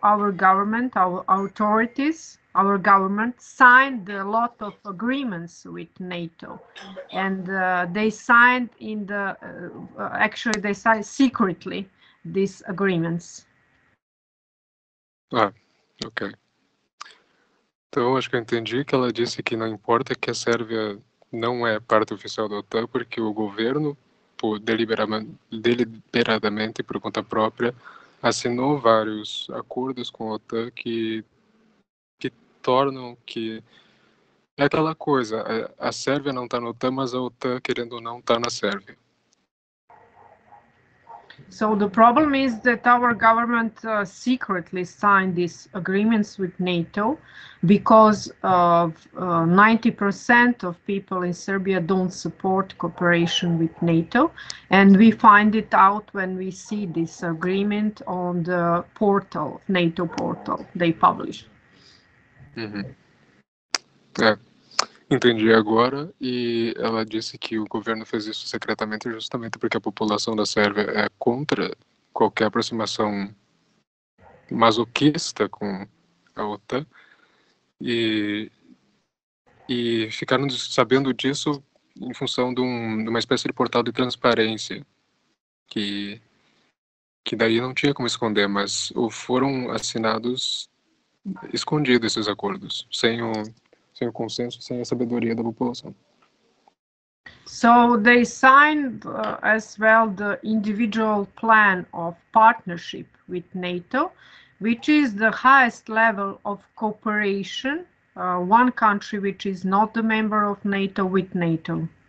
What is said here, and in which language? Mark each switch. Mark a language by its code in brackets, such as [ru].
[en] Our government, our authorities, our government signed a lot of agreements with NATO, and they signed in the actually they signed secretly these agreements. Ah, okay. [pt] Então, acho que eu entendi que ela disse que não importa que a Sérvia não é parte oficial da OTAN, porque o governo, deliberadamente, por conta própria, assinou vários acordos com a OTAN que tornam que... É aquela coisa, a Sérvia não está na OTAN, mas a OTAN, querendo ou não, está na Sérvia. [en] So the problem is that our government secretly signed these agreements with NATO because 90% of people in Serbia don't support cooperation with NATO. And we find it out when we see this agreement on the portal, NATO portal, they publish. [pt] Entendi agora, e ela disse que o governo fez isso secretamente justamente porque a população da Sérvia é contra qualquer aproximação masoquista com a OTAN, e ficaram sabendo disso em função de uma espécie de portal de transparência, que daí não tinha como esconder, mas foram assinados escondidos esses acordos, sem o consenso, sem a sabedoria da população. [en] So they signed as well the individual plan of partnership with NATO, which is the highest level of cooperation, one country which is not a member of NATO with NATO.